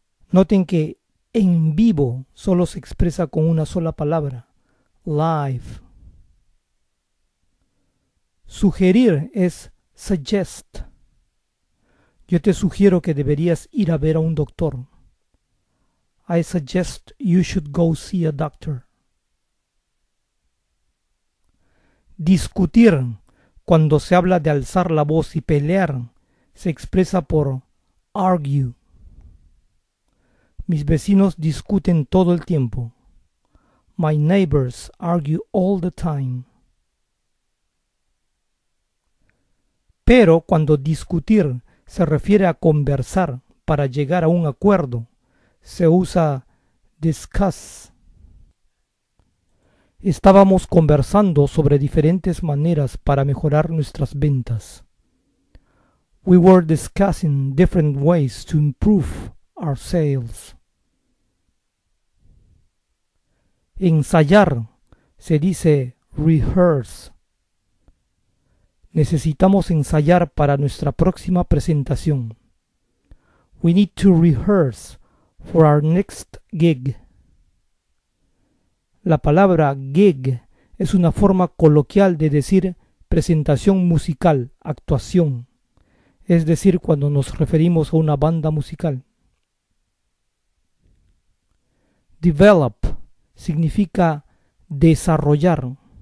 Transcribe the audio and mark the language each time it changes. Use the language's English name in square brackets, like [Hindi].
[Spanish] Noten que en vivo solo se expresa con una sola palabra, live. Sugerir es suggest. Yo te sugiero que deberías ir a ver a un doctor. [English] I suggest you should go see a doctor. [Spanish] Discutir, cuando se habla de alzar la voz y pelear, se expresa por argue. Mis vecinos discuten todo el tiempo. [English] My neighbors argue all the time. [Spanish] Pero cuando discutir se refiere a conversar para llegar a un acuerdo, se usa discuss. Estábamos conversando sobre diferentes maneras para mejorar nuestras ventas. [English] We were discussing different ways to improve our sales. [Spanish] Ensayar se dice rehearse. Necesitamos ensayar para nuestra próxima presentación. [English] We need to rehearse for our next gig. [Spanish] La palabra gig es una forma coloquial de decir presentación musical, actuación. Es decir, cuando nos referimos a una banda musical. Develop significa desarrollar.